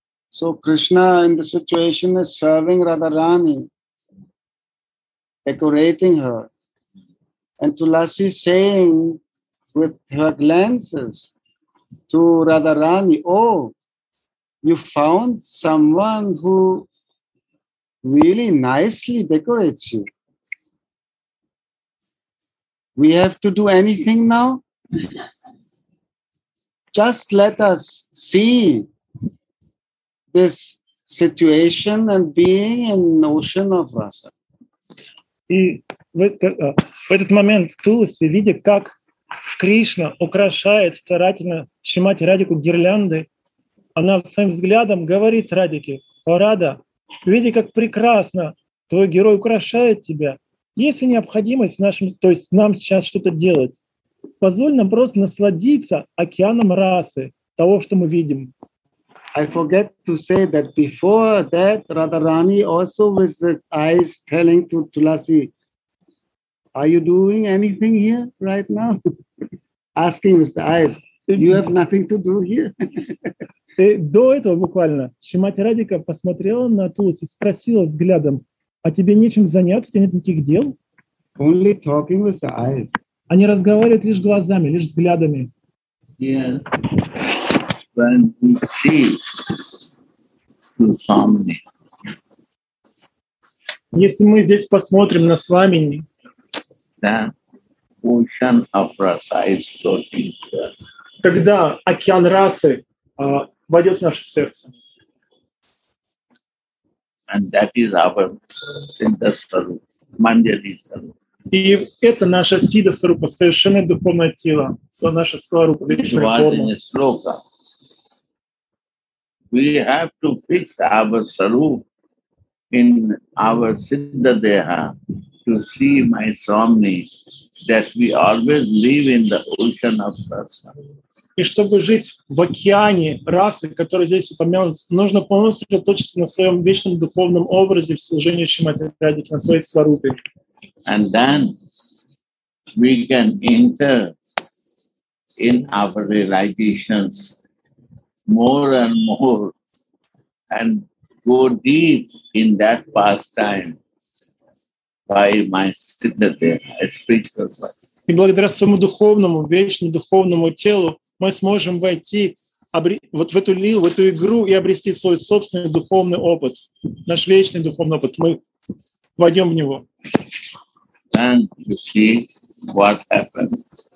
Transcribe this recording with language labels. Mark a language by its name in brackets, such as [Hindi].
[English] So Krishna in the situation is serving Radharani, decorating her, and Tulasi saying with her glances to Radharani, oh, you found someone who really nicely decorates you. We have to do anything now? Just let us see this situation and being in the ocean of rasa. [Russian] И в этот момент Туласи, видя, как Кришна украшает старательно Шримати Радику гирлянды, она своим взглядом говорит Радике: «О, Рада, видя, как прекрасно твой герой украшает тебя, есть ли необходимость в нашем, то есть нам сейчас что-то делать? Позволь нам просто насладиться океаном расы, того, что мы видим». [English] I forget to say that before that, Radharani also with the eyes telling to Tulasi, are you doing anything here right now? Asking with the eyes, you have nothing to do here. [Russian] И до этого буквально Шримати Радика посмотрела на Туласи, спросила взглядом, а тебе нечем заняться, у тебя нет никаких дел? [English] Only talking with the eyes. [Russian] Они разговаривают лишь глазами, лишь взглядами. [English] Yeah. When we see the Swamini. [Russian] Если мы здесь посмотрим на Свамини, [English] ocean of rasa is talking. [Russian] Тогда океан расы войдет в наше сердце. [English] And that is our Siddha Sarupa, Manjari Sarupa. [Russian] И это наше Siddha Sarupa, совершенное духовное тело, наше Сварупа, вечная форма. [English] We have to fix our Sarupa in our Siddha Deha to see my Swami, that we always live in the ocean of Rasa. [Russian] И чтобы жить в океане расы, который здесь упомянут, нужно полностью сосредоточиться на своем вечном духовном образе в служении Шримати Радике, на своей сварупе. [English] And then we can enter in our realizations more and more and go deep in that pastime by my Siddha Deha, spiritual body. [Russian] И благодаря своему духовному, вечному духовному телу мы сможем войти вот в эту лилу, в эту игру и обрести свой собственный духовный опыт, наш вечный духовный опыт. Мы войдем в него. [English] And you see what happens.